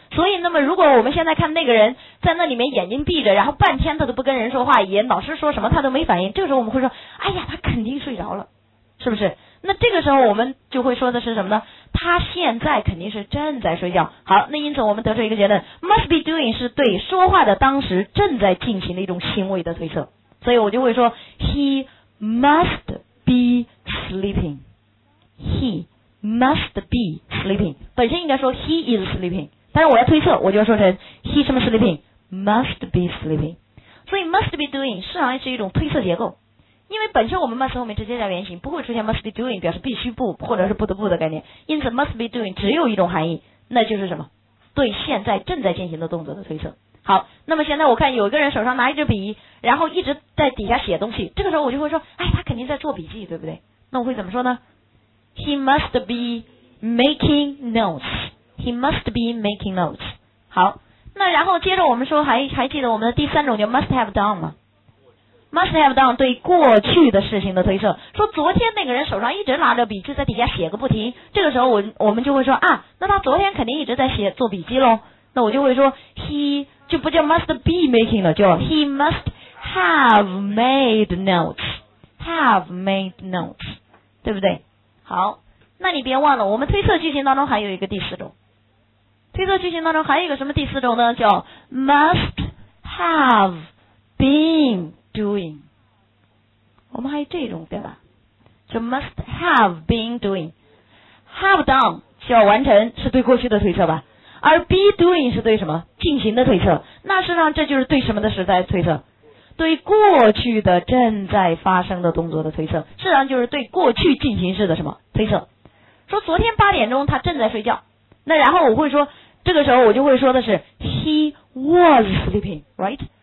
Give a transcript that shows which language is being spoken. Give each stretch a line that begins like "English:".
Chinese: 所以那么如果我们现在看那个人在那里面眼睛闭着，然后半天他都不跟人说话，也老师说什么他都没反应，这个时候我们会说哎呀他肯定睡着了，是不是？那这个时候我们就会说的是什么呢？他现在肯定是正在睡觉。好，那因此我们得出一个结论， must be doing 是对说话的当时正在进行的一种行为的推测。所以我就会说 he must be sleeping， he must be sleeping，本身应该说 he is sleeping，但是我要推测我就要说成 he 什么 sleeping， must be sleeping。所以 must be doing 实际上是一种推测结构，因为本身我们 must 后面直接加原形，不会出现 must be doing 表示必须不或者是不得不的概念，因此 must be doing 只有一种含义，那就是什么？对现在正在进行的动作的推测。好，那么现在我看有一个人手上拿一支笔，然后一直在底下写东西，这个时候我就会说哎，他肯定在做笔记，对不对？
English: 那我会怎么说呢？He must be making notes. He must be making notes.
Chinese: 好，那然后接着我们说还记得我们的第三种叫 must have done 吗？ must have done 对过去的事情的推测，说昨天那个人手上一直拿着笔就在底下写个不停，这个时候我们就会说啊，那他昨天肯定一直在写做笔记咯，那我就会说 he 就不叫 must be making 了，叫 he must have made notes， have made notes，对不对？好，那你别忘了我们推测句型当中还有一个第四种，推测句型当中还有一个什么第四种呢？叫 must have been doing，我们还有这种对吧，就 must have been doing。 have done 叫完成，是对过去的推测吧，而 be doing 是对什么进行的推测，那实际上这就是对什么的实在推测，对过去的正在发生的动作的推测，实际上就是对过去进行式的什么推测。说昨天八点钟他正在睡觉，那然后我会说，这个时候我就会说的是 he was sleeping， right？